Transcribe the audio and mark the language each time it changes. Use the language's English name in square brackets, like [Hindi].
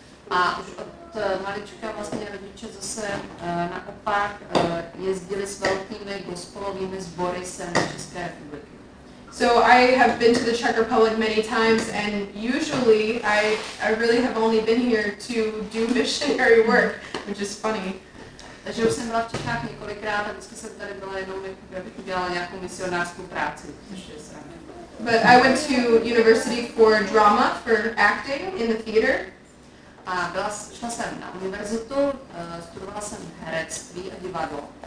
[Czech] A už od malička vlastně rodiče zase naopak jezdili s velkými gospelovými sbory sem do České republiky. [English] So I have been to the Czech Republic many times, and usually I really have only been here to do missionary work, which is funny. [Czech] Takže už jsem byla v Čechách několikrát a vždycky jsem tady byla jenom, abych udělala nějakou misionářskou práci, což je sranda. [English] But I went to university for drama, for acting in the theater. [Czech] A šla jsem na univerzitu, studovala jsem herectví a divadlo.